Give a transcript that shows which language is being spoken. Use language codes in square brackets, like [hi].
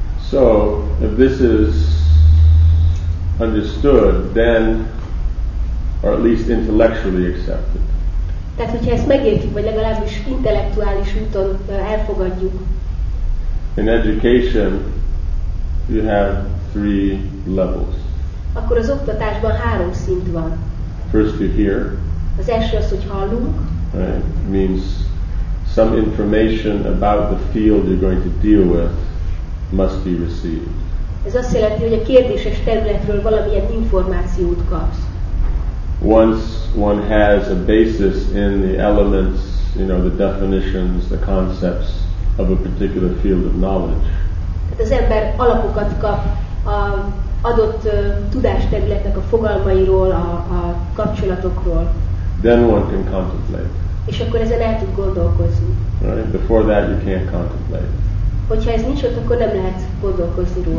[en] So, if this is understood, then, or at least intellectually accepted. [hu] Tehát, hogyha ezt megértjük, vagy legalábbis intellektuális úton elfogadjuk. [en] In education, you have three levels. [hu] Akkor az oktatásban három szint van. [en] First, you hear. [hu] Az első az, hogy hallunk. [en] Right. Means some information about the field you're going to deal with must be received. [hu] Ez azt jelenti, hogy a kérdéses területről valamilyen információt kapsz. [en] Once one has a basis in the elements, you know, the definitions, the concepts of a particular field of knowledge. [hu] Tehát az ember alapokat kap a adott tudásterületnek a fogalmairól, a kapcsolatokról. [en] Then one can contemplate. [hu] És akkor ezen el tud gondolkozni. [en] Right? Before that you can't contemplate. [hu] Hogyha ez nincs ott, akkor nem lehet gondolkozni róla.